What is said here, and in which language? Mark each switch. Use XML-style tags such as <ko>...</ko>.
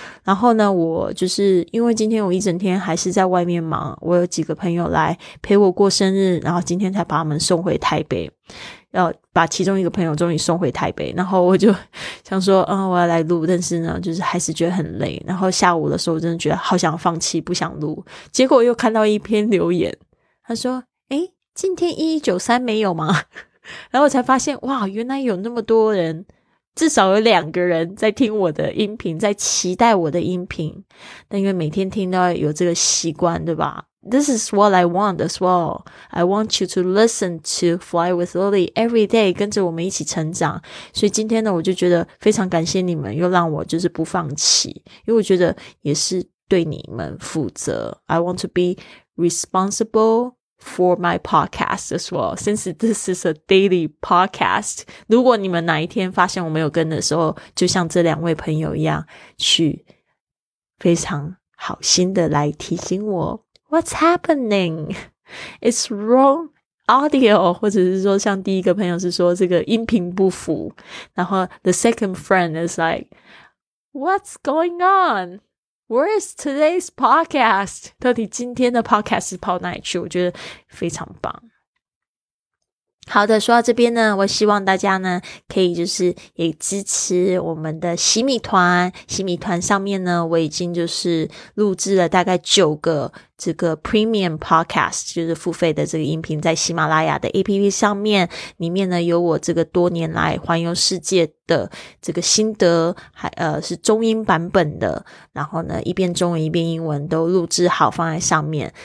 <zh>然后呢，我就是因为今天我一整天还是在外面忙，我有几个朋友来陪我过生日，然后今天才把他们送回台北，要把其中一个朋友终于送回台北，然后我就想说我要来录，但是呢就是还是觉得很累，然后下午的时候真的觉得好想放弃不想录，结果又看到一篇留言，他说今天1193没有吗？然后我才发现，哇，原来有那么多人，至少有2个人在听我的音频，在期待我的音频。但因为每天听到有这个习惯，对吧？</zh> <en>This is what I want as well. I want you to listen to Fly with Lily every day,</en> <zh>跟着我们一起成长。所以今天呢，我就觉得非常感谢你们，又让我就是不放弃，因为我觉得也是对你们负责。</zh> <en>I want to be responsible for my podcast as well, since this is a daily podcast.</en> <zh>如果你们哪一天发现我没有跟的时候，就像这两位朋友一样，去非常好心的来提醒我。</zh> <en>What's happening? It's wrong audio,</en> <zh>或者是说像第一个朋友是说这个音频不符，然后</zh> <en>the second friend is like, what's going on? Where is today's podcast?</en> <zh>到底今天的 podcast 是跑哪里去？我觉得非常棒。好的，说到这边呢，我希望大家呢可以就是也支持我们的洗米团。洗米团上面呢，我已经就是录制了大概九个这个 premium podcast， 就是付费的这个音频，在喜马拉雅的 APP 上面，里面呢有我这个多年来环游世界的这个心得，还是中英版本的，然后呢一边中文一边英文都录制好放在上面。</zh>